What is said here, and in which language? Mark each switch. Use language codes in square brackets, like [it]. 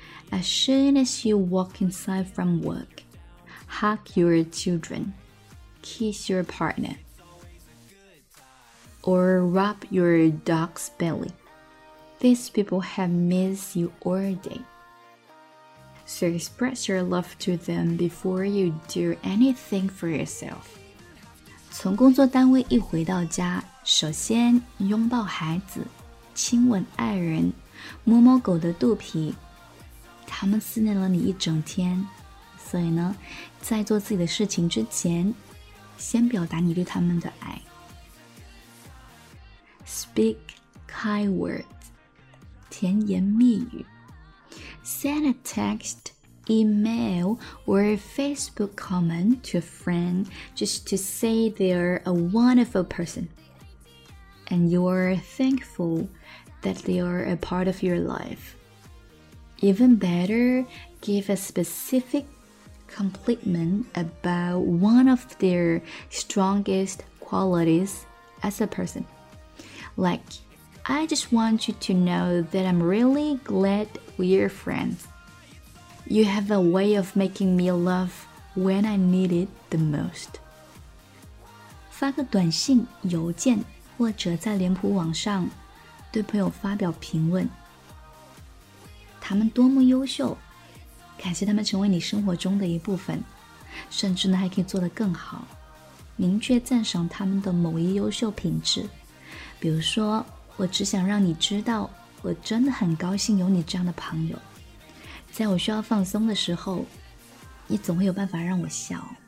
[en] As soon as you walk inside from work, hug your children, kiss your partner, or rub your dog's belly. These people have missed you all day. So express your love to them before you do anything for yourself. [zh] 从工作单位一回到家，首先拥抱孩子，亲吻爱人，摸摸狗的肚皮。他们思念了你一整天，所以呢，在做自己的事情之前，先表达你对他们的爱。 [en] Speak kind words， [zh] 甜言蜜语。 [en] Send a text, email, or a Facebook comment to a friend just to say they're a wonderful person, and you're thankful that they are a part of your life. Even better, give a specific compliment about one of their strongest qualities as a person. Like, I just want you to know that I'm really glad we're friends. You have a way of making me laugh when I need it the most. [zh] 发个短信、邮件，或者在脸谱网上对朋友发表评论。他们多么优秀，感谢他们成为你生活中的一部分，甚至呢还可以做得更好。明确赞赏他们的某一优秀品质，比如说，我只想让你知道，我真的很高兴有你这样的朋友，在我需要放松的时候，你总会有办法让我笑。